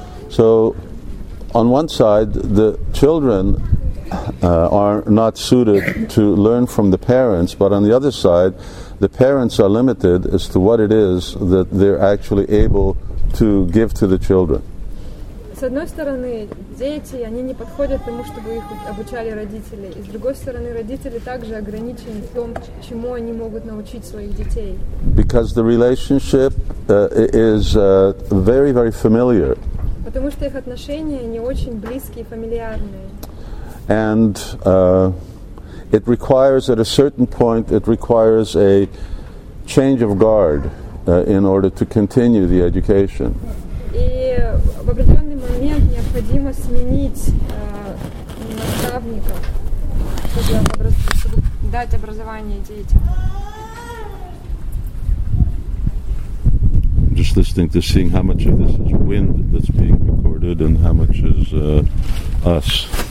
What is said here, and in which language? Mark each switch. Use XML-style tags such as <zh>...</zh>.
<en>So, on one side, the children are not suited to learn from the parents, but on the other side, the parents are limited as to what it is that they're actually able to give to the children.</en> <ru>с одной стороны, дети, они не подходят тому, чтобы их обучали родители. И с другой стороны, родители также ограничены в том, чему они могут научить своих детей.</ru> <en>Because the relationship is very, very familiar.</en> <ru>Потому что их отношения не очень близкие, фамильярные.</ru> <en>And it requires, at a certain point, it requires a change of guard in order to continue the education.</en> <ru>И в определенный момент необходимо сменить наставников, чтобы дать образование детям.</ru> <en>Just listening to seeing how much of this is wind that's being recorded and how much is us.</en>